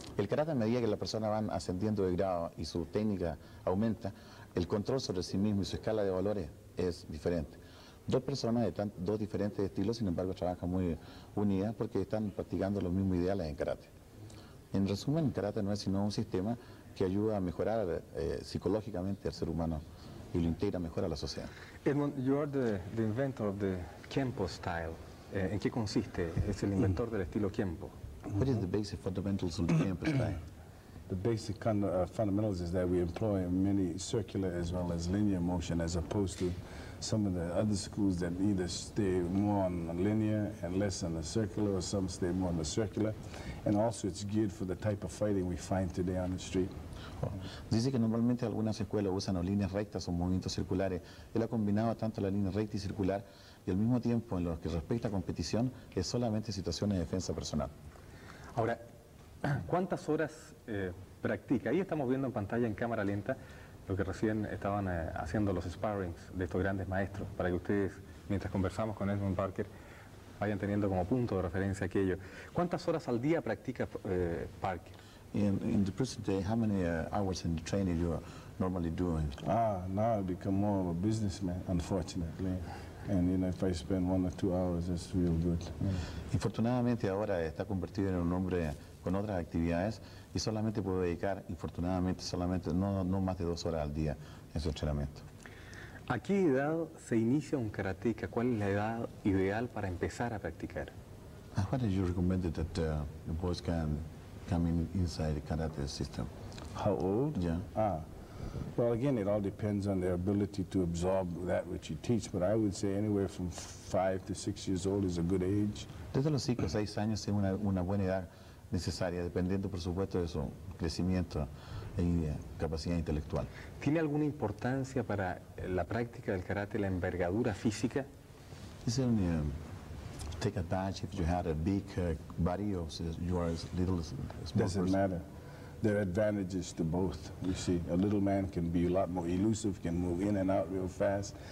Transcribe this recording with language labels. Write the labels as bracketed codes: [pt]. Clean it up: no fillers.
[es] El karate, a medida que la persona va ascendiendo de grado y su técnica aumenta, el control sobre sí mismo y su escala de valores es diferente. Dos personas de dos diferentes estilos, sin embargo, trabajan muy unidas porque están practicando los mismos ideales en karate. En resumen, el karate no es sino un sistema que ayuda a mejorar psicológicamente al ser humano y lo integra mejor a la sociedad. [en] Edmund, you are the inventor of the Kenpo style. [es] ¿En qué consiste? ¿Es el inventor del estilo Kenpo? [en] What is the basic fundamentals of the Kenpo style? The basic kind of fundamentals is that we employ many circular as well as linear motion, as opposed to some of the other schools that either stay more on the linear and less on the circular, or some stay more on the circular. And also it's geared for the type of fighting we find today on the street. [es] Dice que normalmente algunas escuelas usan o líneas rectas o movimientos circulares. Él ha combinado tanto la línea recta y circular, y al mismo tiempo en lo que respecta a competición es solamente situaciones de defensa personal. Ahora, ¿cuántas horas practica? Ahí estamos viendo en pantalla, en cámara lenta, lo que recién estaban haciendo los sparrings de estos grandes maestros, para que ustedes, mientras conversamos con Edmund Parker, vayan teniendo como punto de referencia aquello. ¿Cuántas horas al día practica Parker? [en] In the present day, how many hours in the training you are normally doing? Now I've become more of a businessman, unfortunately. And you know, if I spend 1 or 2 hours, it's real good. [es] Infortunadamente ahora está convertido en un hombre con otras actividades y solamente puede dedicar, infortunadamente, solamente no más de 2 horas al día en su entrenamiento. ¿A qué edad se inicia un karateka? ¿Cuál es la edad ideal para empezar a practicar? [en] What did you recommend that the boys can come inside the karate system? How old? Yeah. Well, again, it all depends on their ability to absorb that which you teach, but I would say anywhere from 5 to 6 years old is a good age. [es] Desde los 5 a 6 años es una buena edad necesaria, dependiendo, por supuesto, de su crecimiento y capacidad intelectual. ¿Tiene alguna importancia para la práctica del karate la envergadura física? [en] Is there any, take advantage if you had a big body or you are a little small person? Doesn't matter. There are advantages to both. You see, a little man can be a lot more elusive, can move in and out real fast.